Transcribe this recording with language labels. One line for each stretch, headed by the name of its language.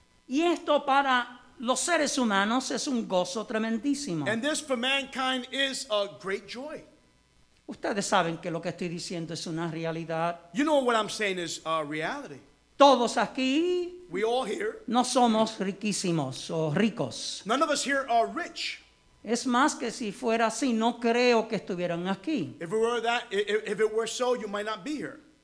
Spanish: Y esto para los seres humanos es un gozo tremendísimo.
English: And this for mankind is a great joy.
Spanish: Ustedes saben que lo que estoy diciendo es una realidad.
English: You know what I'm saying is a reality.
Spanish: Todos aquí.
English: We all here.
Spanish: No somos riquísimos o ricos.
English: None of us here are rich.
Spanish: Es más que si fuera así, no creo que estuvieran aquí.
English: If it were that, if it were so, you might not be here.